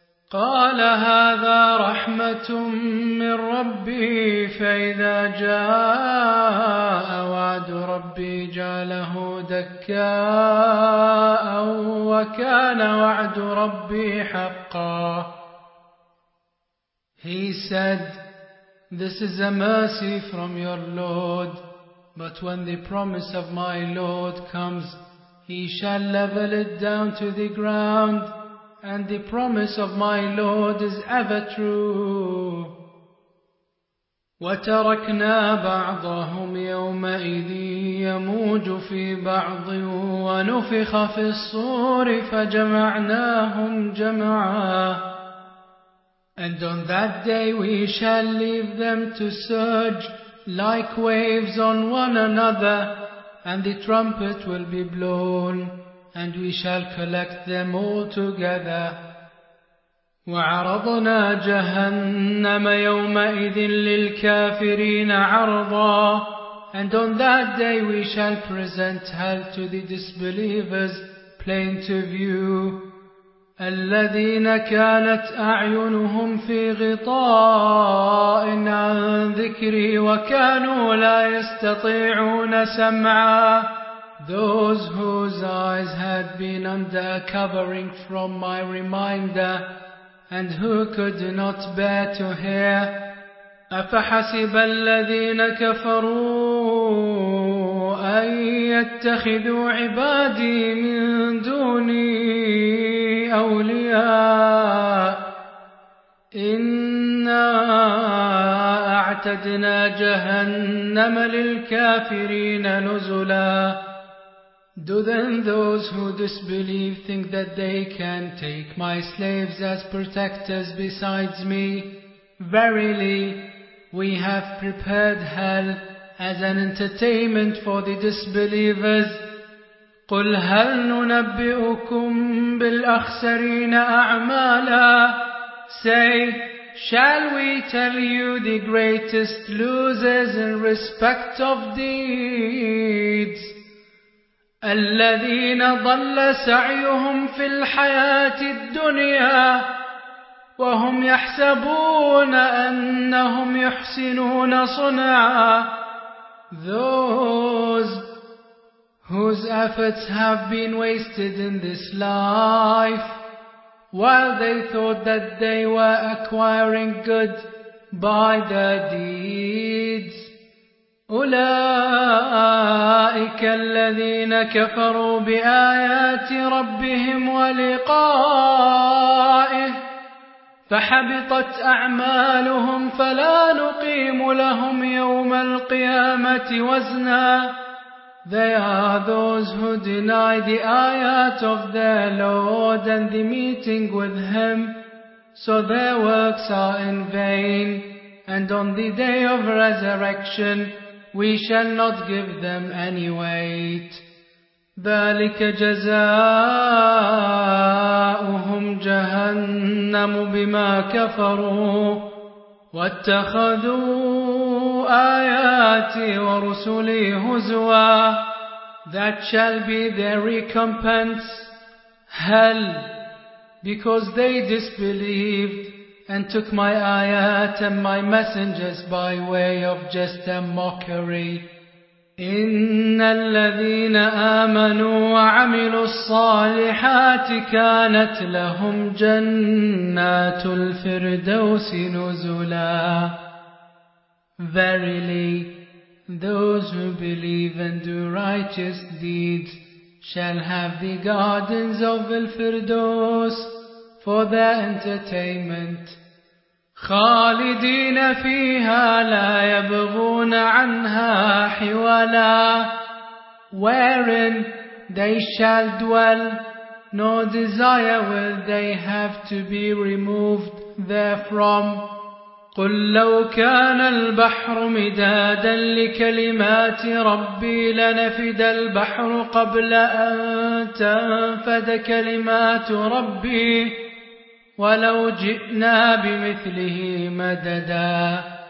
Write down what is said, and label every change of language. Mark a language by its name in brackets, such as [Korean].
[Arabic] قال هذا رحمة من ربي فإذا جاء وعد ربي جعله دكاء وكان وعد ربي حقا. [English] He said, this is a mercy from your Lord, but when the promise of my Lord comes, he shall level it down to the ground, and the promise of my Lord is ever true. [Arabic] وَتَرَكْنَا بَعْضَهُمْ يَوْمَئِذٍ يَمُوجُ فِي بَعْضٍ وَنُفِخَ فِي الصُّورِ فَجَمَعْنَاهُمْ جَمْعًا. [English] And on that day we shall leave them to surge like waves on one another, and the trumpet will be blown, and we shall collect them all together. [Arabic] وعرضنا جهنم يومئذ للكافرين عرضا. [English] And on that day we shall present hell to the disbelievers plain to view. [Arabic] الذين كانت أعينهم في غطاء عن ذكري وكانوا لا يستطيعون سمعا. [English] Those whose eyes had been under a covering from my reminder and who could not bear to hear. [Arabic] أفحسب الذين كفروا أن يتخذوا عبادي من دوني أولياء. إنا أعتدنا جهنم للكافرين نزلا. [English] Do then those who disbelieve think that they can take my slaves as protectors besides me? Verily, we have prepared hell as an entertainment for the disbelievers. [Arabic] قُلْ هَلْ نُنَبِّئُكُمْ بِالْأَخْسَرِينَ أَعْمَالًا. [English] Say, shall we tell you the greatest losers in respect of deeds? [Arabic] الَّذِينَ ضَلَّ سَعْيُهُمْ فِي الْحَيَاةِ الدُّنْيَا وَهُمْ يَحْسَبُونَ أَنَّهُمْ يُحْسِنُونَ صُنْعًا. [English] Those whose efforts have been wasted in this life, while they thought that they were acquiring good by their deeds. [Arabic] أولئك الذين كفروا بآيات ربهم ولقائه فحبطت أعمالهم فلا نقيم لهم يوم القيامة وزنا. [English] They are those who deny the ayat of their Lord and the meeting with Him, so their works are in vain, and on the day of resurrection we shall not give them any weight. [Arabic] ذلك جزاؤهم جهنم بما كفروا واتخذوا آياتي ورسلي هزوا. [English] That shall be their recompense, hell, because they disbelieved and took my ayat and my messengers by way of jest and mockery. [Arabic] إِنَّ الَّذِينَ آمَنُوا وَعَمِلُوا الصَّالِحَاتِ كَانَتْ لَهُمْ جَنَّاتُ الْفِرْدَوْسِ نُزُلًا. [English] Verily, those who believe and do righteous deeds shall have the gardens of Al-Firdaus for their entertainment. [Arabic] خالدين فيها لا يبغون عنها حولا. [English] wherein they shall dwell, nor desire will they have to be removed therefrom. [Arabic] قُلْ لَوْ كَانَ الْبَحْرُ مِدَادًا لِكَلِمَاتِ رَبِّي لَنَفِدَ الْبَحْرُ قَبْلَ أَنْ تَنْفَدَ كَلِمَاتُ رَبِّي وَلَوْ جِئْنَا بِمِثْلِهِ مَدَدًا.